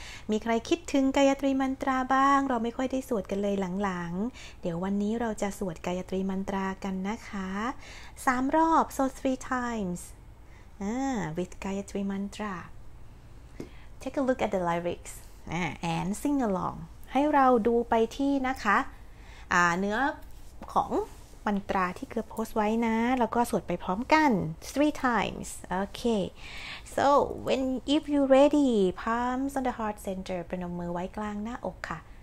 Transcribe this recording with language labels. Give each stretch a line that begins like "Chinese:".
Thai: มีใครคิดถึง Gayatri mantra บ้างเราไม่ค่อยได้สวดกันเลยหลังๆเดี๋ยววันนี้เราจะสวด Gayatri mantra กันนะคะ3รอบ
English: so 3 times with Gayatri mantra. Take a look at the lyrics and sing along.
Thai: ให้เราดูไปที่นะคะเนื้อของมันตราที่เกือบโพสไว้นะแล้วก็สวดไปพร้อมกัน
English: three times okay so when if you ready palms on the heart center
Thai: ประนมมือไว้กลางหน้าอกค่ะ